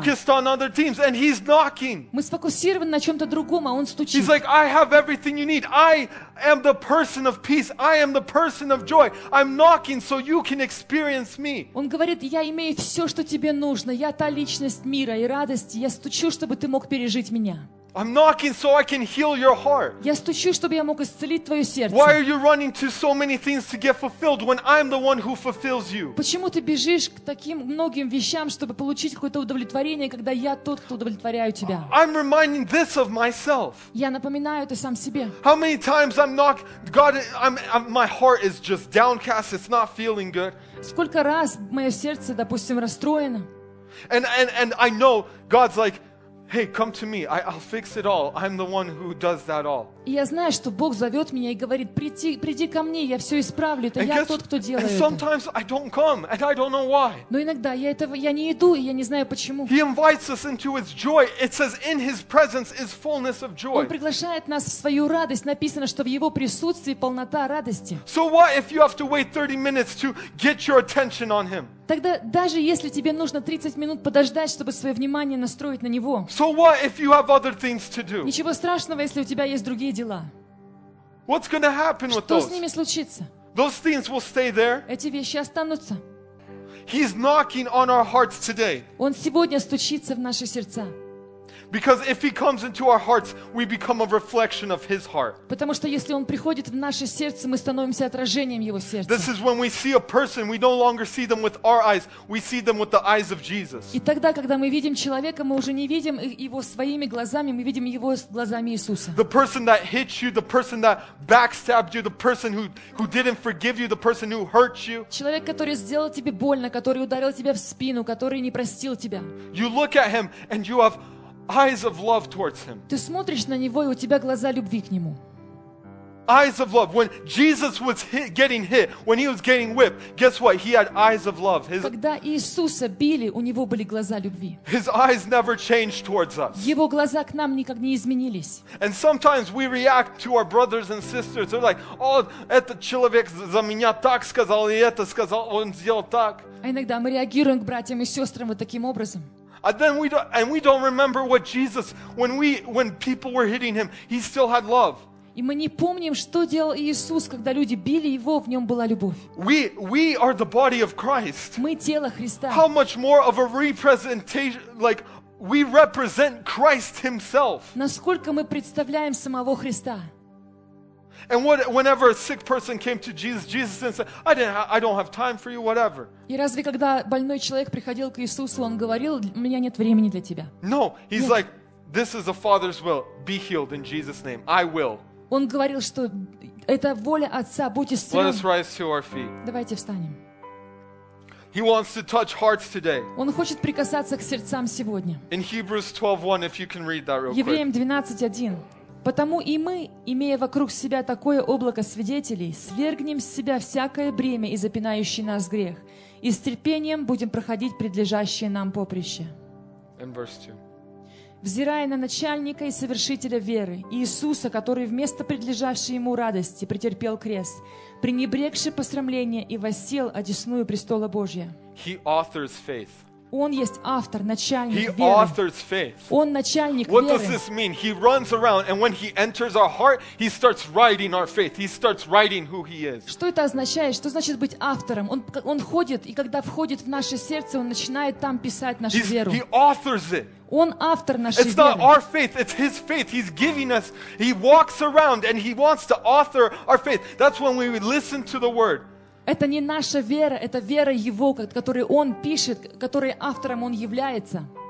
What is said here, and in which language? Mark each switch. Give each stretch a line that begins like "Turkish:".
English: Focused on other teams, and he's knocking.
Russian: Мы сфокусированы на чем-то другом, а он стучит.
English: He's like, I have everything you need. I am the person of peace. I am the person of joy. I'm knocking so you can experience me.
Russian: Он говорит, я имею все, что тебе нужно. Я та личность мира и радости. Я стучу, чтобы ты мог пережить меня.
English: I'm knocking so I can heal your heart.
Russian: Я стучу, чтобы я мог исцелить твое сердце.
English: Why are you running to so many things to get fulfilled when I'm the one who fulfills you?
Russian: Почему ты бежишь к таким многим вещам, чтобы получить какое-то удовлетворение, когда я тот, кто удовлетворяю тебя?
English: I'm reminding this of myself.
Russian: Я напоминаю это сам себе.
English: How many times I'm knocked, God, my heart is just downcast, it's not feeling good.
Russian: Сколько раз мое сердце, допустим, расстроено?
English: And I know God's like, Hey, come to me. I'll fix it all. I'm the one who does that all.
Russian: Я знаю, что Бог зовет меня и говорит: приди ко мне, я все исправлю. Это я тот, кто делает.
English: And sometimes I don't come, and I don't know why.
Russian: Но иногда я не иду, и я не знаю почему.
English: He invites us into His joy. It says, "In His presence is fullness of joy."
Russian: Он приглашает нас в свою радость. Написано, что в Его присутствии полнота радости.
English: So what if you have to wait 30 minutes to get your attention on Him?
Russian: Тогда даже если тебе нужно 30 минут подождать, чтобы свое внимание настроить на него.
English: So what if you have other things to do?
Russian: Ничего страшного, если у тебя есть другие дела.
English: What's gonna happen with those?
Russian: Что с ними случится?
English: Those things will stay there.
Russian: Эти вещи останутся.
English: He's knocking on our hearts today.
Russian: Он сегодня стучится в наши сердца.
English: Because if he comes into our hearts, we become a reflection of his heart.
Russian: Потому что если он приходит в наше сердце, мы становимся отражением его сердца.
English: This is when we see a person, we no longer see them with our eyes, we see them with the eyes of Jesus.
Russian: И тогда, когда мы видим человека, мы уже не видим его своими глазами, мы видим его глазами Иисуса.
English: The person that hit you, the person that backstabbed you, the person who didn't forgive you, the person who hurt you.
Russian: Человек, который сделал тебе больно, который ударил тебя в спину, который не простил тебя.
English: You look at him and you have Eyes of love towards him.
Russian: Ты смотришь на него, и у тебя глаза любви к нему.
English: Eyes of love. When Jesus was getting hit, when he was getting whipped, guess what? He had eyes of love.
Russian: Когда Иисуса били, у него были глаза любви.
English: His eyes never changed towards us.
Russian: Его глаза к нам никогда не изменились.
English: And sometimes we react to our brothers and sisters. They're like, "Oh,
Russian: этот человек за меня так сказал, и это сказал, он сделал так." А иногда мы реагируем к братьям и сестрам вот таким образом.
English: And then we don't remember what Jesus when people were hitting him, he still had love.
Russian: И мы не помним, что делал Иисус, когда люди били его, в нем была любовь.
English: We are the body of Christ.
Russian: Мы тело Христа.
English: How much more of a representation, like we represent Christ himself.
Russian: Насколько мы представляем самого Христа?
English: And whenever a sick person came to Jesus, Jesus didn't say, I don't have time for you, whatever.
Russian: И разве когда больной человек приходил к Иисусу, он говорил, у меня нет времени для тебя?
English: No, he's like, this is the Father's will. Be healed in Jesus' name. I will.
Russian: Он говорил, что это воля Отца, будь исцелен.
English: Let us rise to our feet.
Russian: Давайте встанем.
English: He wants to touch hearts today.
Russian: Он хочет прикасаться к сердцам сегодня.
English: In Hebrews 12:1, if you can read that real quick.
Russian: Евреям 12:1. Потому и мы, имея вокруг себя такое облако свидетелей, свергнем с себя всякое бремя и запинающий нас грех, и с терпением будем проходить предлежащее нам поприще. Взирая на начальника и совершителя веры, Иисуса, который вместо предлежащей ему радости претерпел крест, пренебрегший посрамление и воссел одесную престола Божия.
English: He authors faith.
Russian: Он есть автор, начальник
English: he
Russian: веры.
English: He authors faith.
Russian: Он начальник
English: What
Russian: веры.
English: What does this mean? He runs around, and when he enters our heart, he starts writing our faith. He starts writing who he is.
Russian: Что это означает? Что значит быть автором? Он ходит, и когда входит в наше сердце, он начинает там писать нашу
English: He's,
Russian: веру.
English: He authors it.
Russian: Он автор нашей веры.
English: It's not our faith, it's his faith. He's giving us, he walks around and he wants to author our faith. That's when we listen to the word.
Russian: Это не наша вера, это вера его, которой он пишет, которой автором он является.